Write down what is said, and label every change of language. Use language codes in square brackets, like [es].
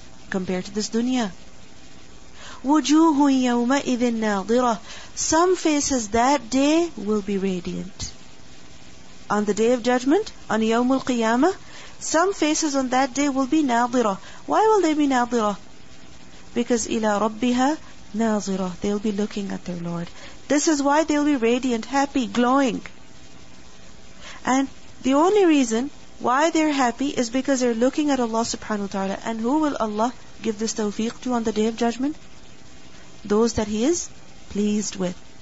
[en] Compared to this dunya. [ar] وُجُوهٌ يَوْمَئِذٍ نَاضِرَةٌ. [en] Some faces that day will be radiant. On the day of judgment, on [ar] يَوْمُ الْقِيَامَةِ, [en] some faces on that day will be نَاضِرَةٌ. Why will they be نَاضِرَةٌ? [ar] Because إِلَى رَبِّهَا نَاضِرَةٌ. [en] They'll be looking at their Lord. This is why they'll be radiant, happy, glowing. And the only reason why they're happy is because they're looking at Allah subhanahu wa ta'ala. And who will Allah give this tawfiq to on the day of judgment? Those that He is pleased with.